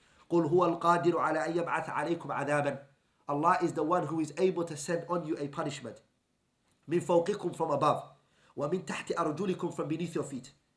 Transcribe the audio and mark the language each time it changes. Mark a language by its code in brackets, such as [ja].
[ar] قل هو القادر على أن يبعث عليكم عذابا. [en] Allah is the one who is able to send on you a punishment. [ar] من فوقكم [en] from above. [ar] ومن تحت أرجلكم [en] from beneath your feet.